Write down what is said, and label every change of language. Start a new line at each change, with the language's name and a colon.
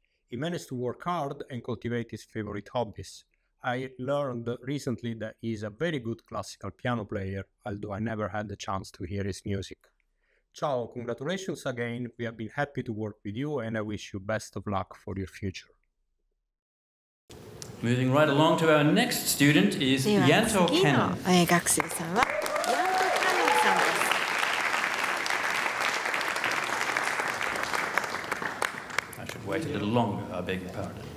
English: He managed to work hard and cultivate his favorite hobbies. I learned recently that he is a very good classical piano player, although I never had the chance to hear his music. Chao, congratulations again. We have been happy to work with you, and I wish you best of luck for your future. Moving right along to our next student is Yanto Kenneth.
Japanese: では次の学生さんは、ヤントカネンさんです。
English: waited a little longer, I beg your pardon.